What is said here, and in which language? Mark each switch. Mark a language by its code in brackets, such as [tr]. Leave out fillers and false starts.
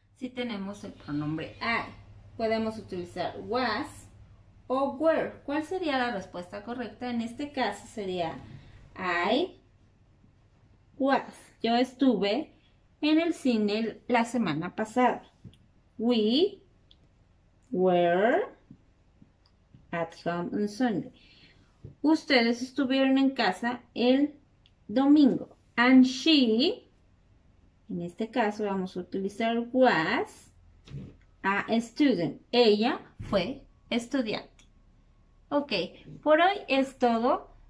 [es] Si tenemos el pronombre I, podemos utilizar was o were. ¿Cuál sería la respuesta correcta? En este caso sería I was. Yo estuve en el cine la semana pasada. [en] We were at home on Sunday. [es] Ustedes estuvieron en casa el domingo. [en] And she, [es] en este caso vamos a utilizar [en] was a student. [es] Ella fue estudiante. Ok, por hoy es todo.